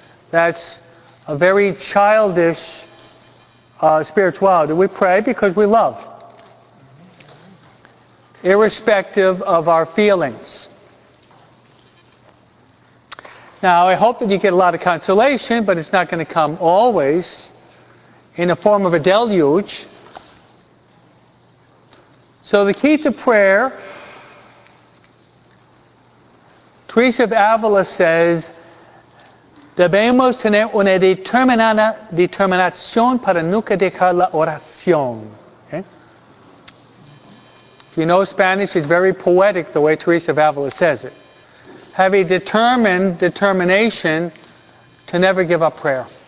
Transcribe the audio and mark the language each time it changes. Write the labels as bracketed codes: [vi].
[en] That's a very childish spirituality. We pray because we love, irrespective of our feelings. Now, I hope that you get a lot of consolation, but it's not going to come always in the form of a deluge. So the key to prayer, Teresa of Avila says, [es] debemos tener una determinación para nunca dejar la oración. [en] Okay? If you know Spanish, it's very poetic the way Teresa of Avila says it. Have a determination to never give up prayer.